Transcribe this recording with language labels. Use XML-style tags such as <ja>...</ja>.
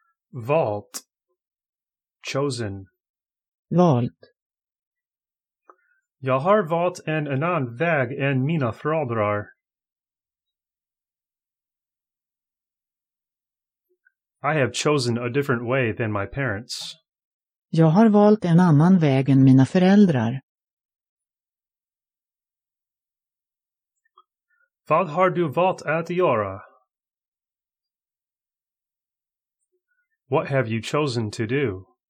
<sv>Valt.</sv> <en>Chosen.</en> <sv>Valt. Jag har valt en annan väg än mina föräldrar.</sv> <en>I have chosen a different way than my parents.</en> <sv>Jag har valt en annan väg än mina föräldrar. Vad har du valt att göra?</sv> <en>What have you chosen to do?</en>